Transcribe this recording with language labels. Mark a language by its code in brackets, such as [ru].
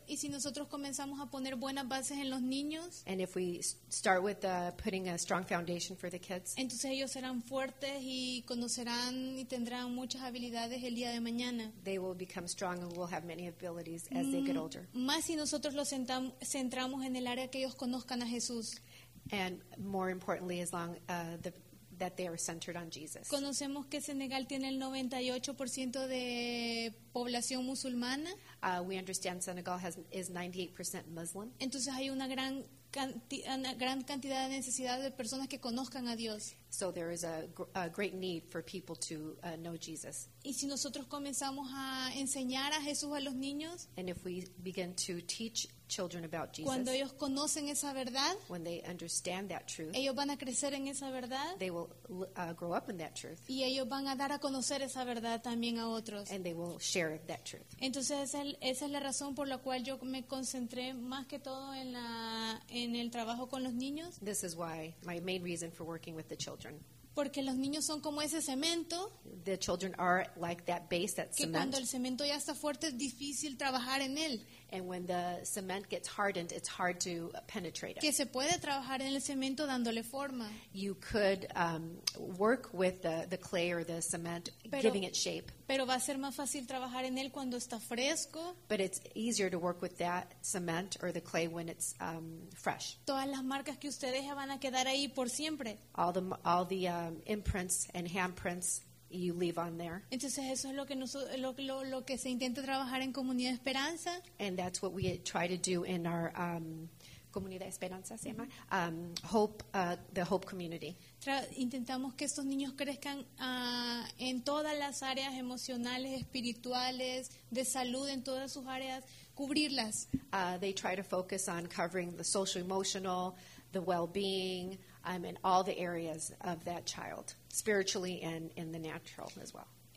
[es] Y si nosotros comenzamos a poner buenas bases en los niños, [en] and if we start with putting a strong foundation for the kids, [es] entonces ellos serán fuertes y conocerán y tendrán muchas habilidades el día de mañana. [en] They will become strong and will have many abilities as they get older. [es] Más si nosotros los centramos en el área que ellos conozcan a Jesús. [en] And more importantly, as long that they are centered on Jesus. [es] Conocemos que Senegal tiene el 98% de población musulmana. [en] We understand Senegal is 98% Muslim. [es] Entonces hay una gran cantidad de necesidad de personas que conozcan a Dios. [en] So there is a great need for people to know Jesus. [es] Y si nosotros comenzamos a enseñar a Jesús a los niños, [en] and if we begin to teach children about Jesus, [es] cuando ellos conocen esa verdad, [en] when they understand that truth, [es] ellos van a crecer en esa verdad, [en] they will grow up in that truth, [es] y ellos van a dar a conocer esa verdad también a otros, [en] and they will share that truth. [es] Entonces esa es la razón por la cual yo me concentré más que todo en la en el trabajo con los niños. [en] This is why my main reason for working with the children. [es] Porque los niños son como ese cemento. [en] The children are like that base, that cement. [es] Que cuando el cemento ya está fuerte, es difícil trabajar en él. [en] And when the cement gets hardened, it's hard to penetrate it. [es] Que se puede trabajar en el cemento dándole forma. [en] You could work with the clay or the cement, [es] pero, [en] giving it shape. [es] Pero va a ser más fácil trabajar en él cuando está fresco. [en] But it's easier to work with that cement or the clay when it's fresh. [es] Todas las marcas que ustedes van a quedar ahí por siempre. [en] All the imprints and handprints you leave on there. [es] Entonces eso es lo que lo que se intenta trabajar en Comunidad de Esperanza. [en] And that's what we try to do in our Comunidad de Esperanza, [es] se llama [en] Hope, the Hope Community. [es] Intentamos que estos niños crezcan en todas las áreas emocionales, espirituales, de salud, en todas sus áreas, cubrirlas. [en] They try to focus on covering the social emotional, the well-being, in all the areas of that child, spiritually and in the natural as well.